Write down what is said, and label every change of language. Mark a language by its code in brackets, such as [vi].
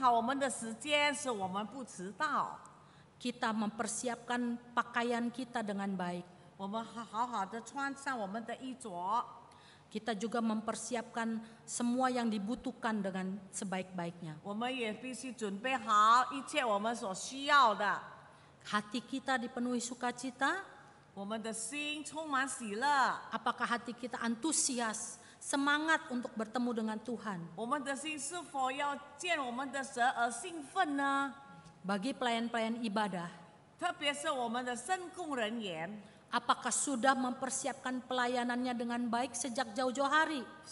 [zh] 我们是否已经准备好我们的时间，使我们不迟到？ [id] Kita mempersiapkan pakaian kita dengan baik. [zh] 我们好好的穿上我们的衣着。 [id] Kita juga mempersiapkan semua yang dibutuhkan dengan sebaik-baiknya. [zh] 我们也必须准备好一切我们所需要的。 [id] Hati kita dipenuhi sukacita. [zh] 我们的心充满喜乐。 [id] Apakah hati kita antusias, semangat untuk bertemu dengan Tuhan? [zh] 我们的心是否要见我们的神而兴奋呢？ [id] Bagi pelayan-pelayan ibadah, [zh] 特别是我们的圣工人员, [id] apakah sudah mempersiapkan pelayanannya dengan baik sejak jauh-jauh hari?